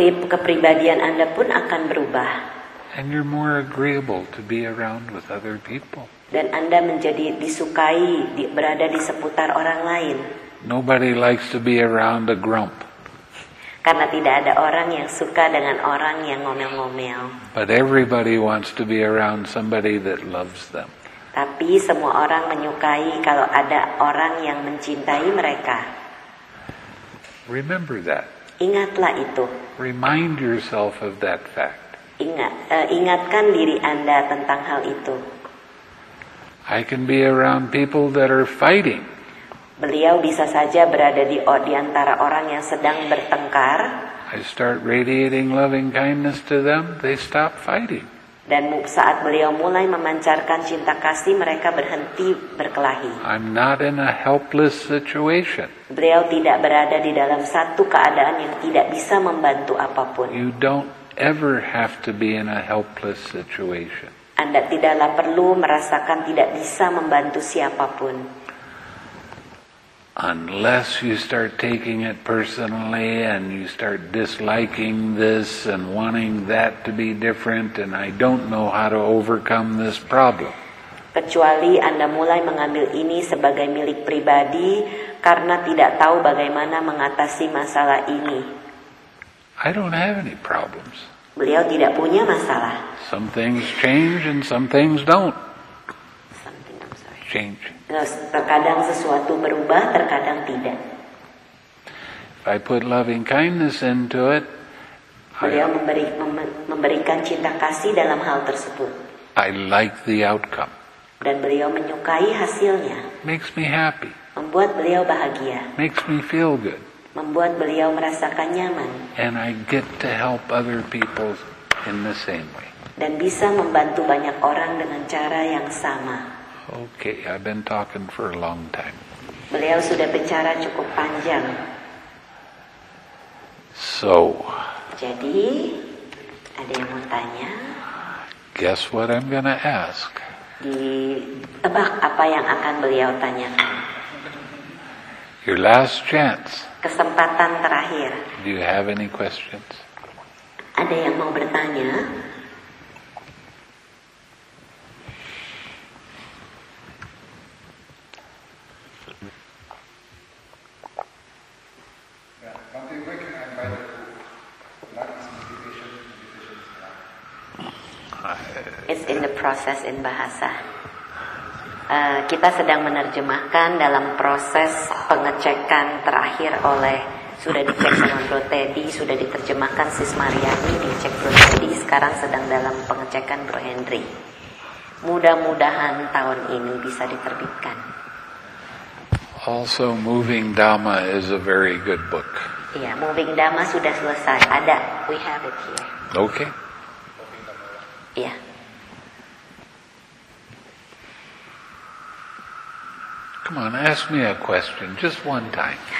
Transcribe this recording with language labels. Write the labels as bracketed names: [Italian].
[Indonesian] Kepribadian Anda pun akan berubah. [English] And you're more agreeable to be around with other people. [Indonesian] Dan Anda menjadi disukai berada di seputar orang lain. [English] Nobody likes to be around a grump. [Indonesian] Karena tidak ada orang yang suka dengan orang yang ngomel-ngomel. [English] But everybody wants to be around somebody that loves them. [Indonesian] Tapi semua orang menyukai kalau ada orang yang mencintai mereka. [English] Remember that. [Indonesian] Ingatlah itu. [English] Remind yourself of that fact. [Indonesian] Ingatkan diri Anda tentang hal itu. [English] I can be around people that are fighting. [Indonesian] Beliau bisa saja berada di antara orang yang sedang bertengkar. [English] I start radiating loving kindness to them, they stop fighting. [Indonesian] Dan saat beliau mulai memancarkan cinta kasih, mereka berhenti berkelahi. [English] I'm not in a helpless situation. [Indonesian] Beliau tidak berada di dalam satu keadaan yang tidak bisa membantu apapun. [English] You don't ever have to be in a helpless situation. [Indonesian] Anda tidaklah perlu merasakan tidak bisa membantu siapapun. [English] Unless you start taking it personally and you start disliking this and wanting that to be different and I don't know how to overcome this problem. [Indonesian] Kecuali Anda mulai mengambil ini sebagai milik pribadi karena tidak tahu bagaimana mengatasi masalah ini. [English] I don't have any problems. [Indonesian] Beliau tidak punya masalah. [English] Some things change and some things don't. Change. [Indonesian] Terkadang sesuatu berubah, terkadang tidak. [English] If I put loving kindness into it, [Indonesian] beliau memberikan cinta kasih dalam hal tersebut. [English] I like the outcome. [Indonesian] Dan beliau menyukai hasilnya. [English] Makes me happy. [Indonesian] Membuat beliau bahagia. [English] Makes me feel good. [Indonesian] Membuat beliau merasakan nyaman. [English] And I get to help other people in the same way. [Indonesian] Dan bisa membantu banyak orang dengan cara yang sama. [English] Okay, I've been talking for a long time. [Indonesian] Beliau sudah bicara cukup panjang. [English] So. [Indonesian] Jadi, ada yang mau tanya? [English] Guess what I'm gonna ask. [Indonesian] Ditebak apa yang akan beliau tanyakan? [English] Your last chance. [Indonesian] Kesempatan terakhir. [English] Do you have any questions? [Indonesian] Ada yang mau bertanya? [English] It's in the process in bahasa. [Indonesian] Kita sedang menerjemahkan dalam proses pengecekan terakhir oleh sudah dicek sama Bro Teddy, sudah diterjemahkan Sis Mariani, dicek Bro Teddy, sekarang sedang dalam pengecekan Bro Henry. Mudah-mudahan tahun ini bisa diterbitkan. [English] Also, Moving Dhamma is a very good book. [Indonesian] Iya, Moving Dhamma sudah selesai. Ada, [English] we have it here. Okay. [Indonesian] Iya. [English] Come on, ask me a question, just one time.